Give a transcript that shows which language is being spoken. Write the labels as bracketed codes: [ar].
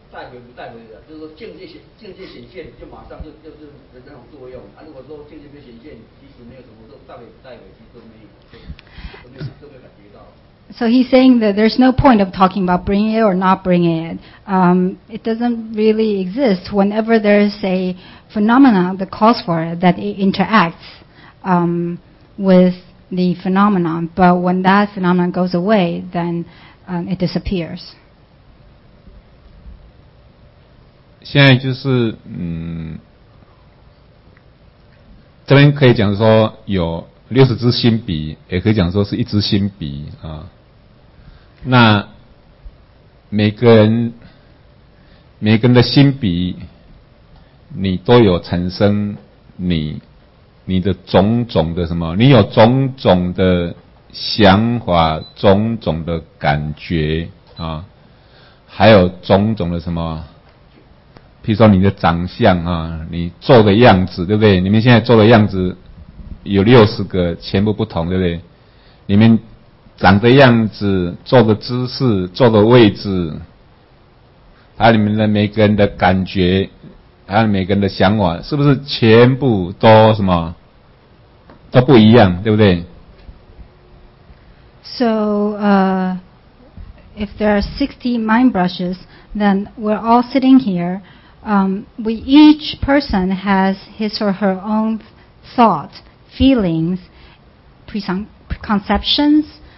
[zh] 带回不带回的，就是说境界显现就马上就是的那种作用。啊，如果说境界没显现，其实没有什么都带回不带回，其实都没有感觉到。 [en] So he's saying that there's no point of talking about bringing it or not bringing it. It doesn't really exist. Whenever there's a phenomenon that calls for it, that it interacts with the phenomenon. But when that phenomenon goes away, then it disappears. [zh] 现在就是这边可以讲说有60支心笔，也可以讲说是一支心笔啊。那每个人的心比你都有产生你的种种的什么，你有种种的想法，种种的感觉啊，还有种种的什么，譬如说你的长相啊，你做的样子，对不对？你们现在做的样子有60个全部不同，对不对？你们长的样子，坐的姿势，坐的位置，还有你们的每个人的感觉，还有每个人的想法，是不是全部都什么都不一样，对不对？ [en] So, if there are 60 mind brushes, then we're all sitting here. We each person has his or her own thought, feelings, preconceptions.